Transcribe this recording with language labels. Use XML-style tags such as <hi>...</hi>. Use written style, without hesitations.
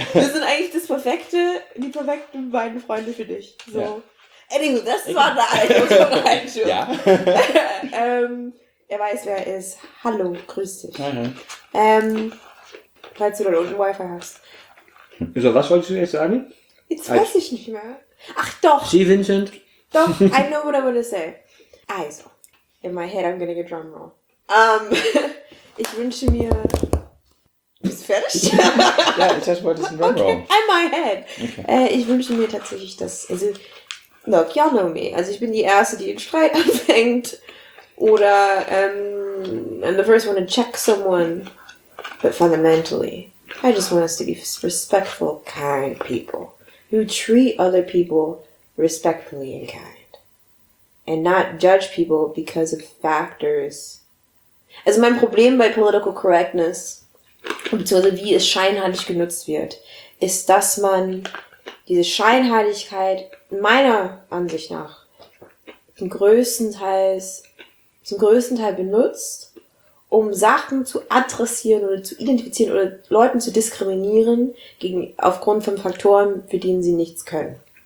<de>Wir sind eigentlich das perfekte, die perfekten beiden Freunde für dich. So. Ja. Anyway, das war der Einschub. Ja. Er weiß, wer er ist. Hallo, grüß dich.</de> <en>Hi, hi.</en> <de>Falls du da unten Wi-Fi hast. So, was wolltest du jetzt sagen? Weiß ich nicht mehr. Ach doch.</de> <en>See, Vincent. Doch, I know what I want to say. Also, in my head I'm gonna get drum roll.</en> <de>ich wünsche mir... Bist du fertig? Ja, ich dachte, wollte ein Drum roll.</de> <en>Okay, in my head. Okay.</en> <de>Ich wünsche mir tatsächlich, dass... Also,</de> <en>look, y'all know me.</en> <de>Also, ich bin die Erste, die den Streit anfängt.</de> <en>Oder, I'm the first one to check someone. But fundamentally, I just want us to be respectful, kind people. Who treat other people respectfully and kind. And not judge people because of factors.</en> <de>Also mein Problem bei political correctness, beziehungsweise wie es scheinheilig genutzt wird, ist, dass man diese Scheinheiligkeit meiner Ansicht nach zum größten Teil benutzt, um Sachen zu adressieren oder zu identifizieren oder Leuten zu diskriminieren aufgrund von Faktoren, für denen sie nichts können.</de>